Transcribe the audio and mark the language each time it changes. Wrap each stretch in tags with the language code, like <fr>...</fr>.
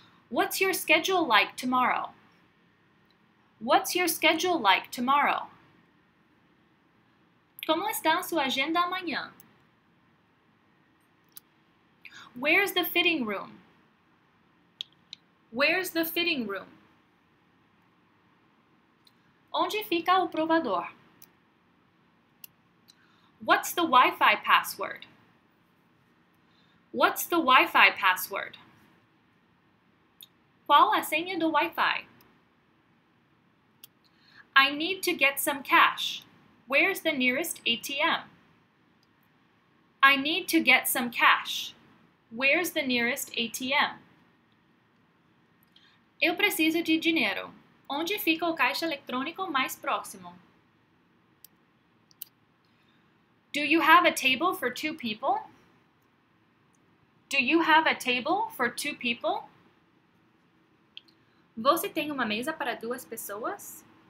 <en>What's your schedule like tomorrow? What's your schedule like tomorrow?</en> <pt>Como está sua agenda amanhã?</pt> <en>Where's the fitting room? Where's the fitting room?</en> <pt>Onde fica o provador?</pt> <en>What's the Wi-Fi password? What's the Wi-Fi password?</en> <pt>Qual a senha do Wi-Fi?</pt> <en>I need to get some cash. Where's the nearest ATM? I need to get some cash. Where's the nearest ATM?</en> <pt>Eu preciso de dinheiro. Onde fica o caixa eletrônico mais próximo?</pt> <en>Do you have a table for two people? Do you have a table for two people?</en> <pt>Você tem uma mesa para duas pessoas?</pt>